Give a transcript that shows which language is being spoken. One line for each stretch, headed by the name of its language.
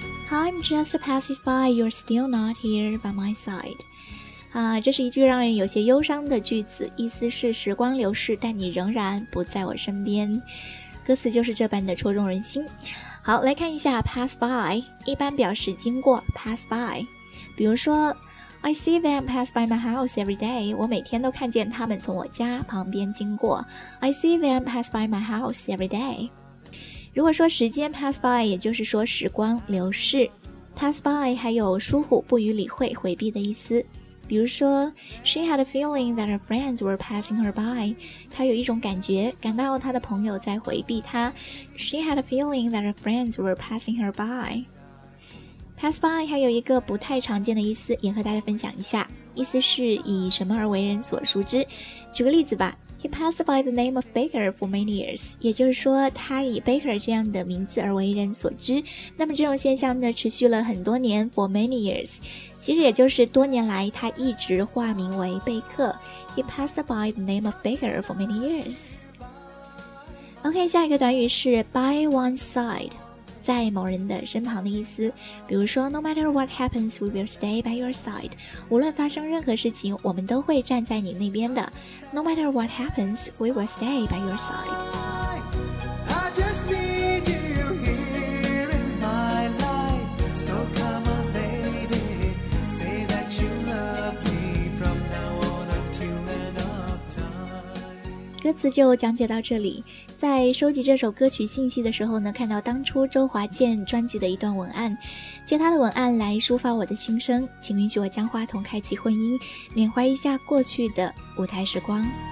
English: I'm just a passerby, you're still not here by my side.
Chinese: 这是一句让人有些忧伤的句子，意思是时光流逝，但你仍然不在我身边。歌词就是这般的戳中人心。好，来看一下 passerby, 一般表示经过 passerby。比如说 ,
English: I see them pass by my house every day,
Chinese: 我每天都看见他们从我家旁边经过。
English: I see them pass by my house every day.
Chinese: 如果说时间 pass by, 也就是说时光流逝。 pass by 还有疏忽、不予理会、回避的意思。比如说
English: ,she had a feeling that her friends were passing her by.
Chinese: 她有一种感觉感到她的朋友在回避她。
English: she had a feeling that her friends were passing her by.
Chinese: pass by 还有一个不太常见的意思也和大家分享一下。意思是以什么而为人所熟知。举个例子吧。
English: He passed by the name of Baker for many years.
Chinese: 也就是说他以 Baker 这样的名字而为人所知。那么这种现象呢持续了很多年
English: for many years.
Chinese: 其实也就是多年来他一直化名为贝克。
English: He passed by the name of Baker for many years.
Chinese: OK, 下一个短语是 by one's side, 在某人的身旁的意思。比如说
English: No matter what happens, we will stay by your side.
Chinese: 无论发生任何事情我们都会站在你那边的。
English: No matter what happens, we will stay by your side. I just need you here in my life. So come on, baby, say that you love me from now on until the end of time.
Chinese: 歌词就讲解到这里。在收集这首歌曲信息的时候呢，看到当初周华健专辑的一段文案，借他的文案来抒发我的心声，请允许我将话筒开启婚姻，缅怀一下过去的舞台时光。